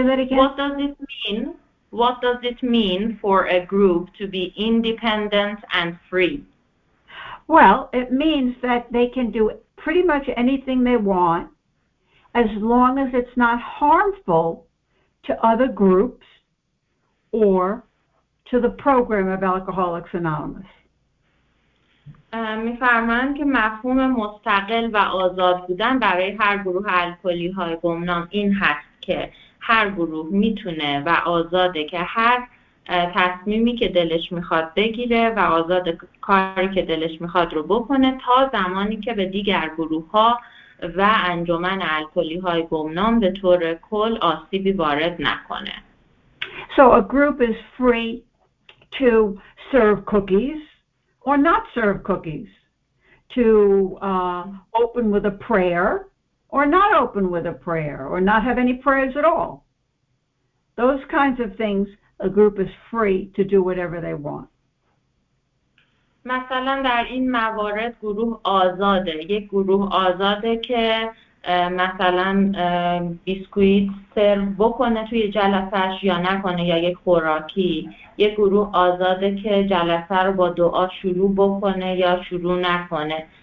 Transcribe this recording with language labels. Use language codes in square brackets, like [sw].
[en] What does it mean for a group to be independent and free? Well, it means that they can do pretty much anything they want as long as it's not harmful to other groups or to the program of Alcoholics Anonymous. [fa] می فرمایند که مفهوم مستقل و آزاد بودن برای هر گروه الکلی های گمنام این هست که هر گروه میتونه و آزاده که هر تصمیمی که دلش میخواد بگیره و آزاد کاری که دلش میخواد رو بکنه تا زمانی که به دیگر گروه ها و انجمن الکلی های گمنام به طور کل آسیبی وارد نکنه. [en] So a group is free to serve cookies or not serve cookies, to open with a prayer or not open with a prayer or not have any prayers at all. Those kinds of things, a group is free to do whatever they want. [fa] مثلا در این موارد گروه آزاده. یک گروه آزاده که مثلا بیسکویت سرو بکنه توی جلسه‌اش یا نکنه یا یک خوراکی. یک گروه آزاده که جلسه رو با دعا شروع بکنه یا شروع نکنه.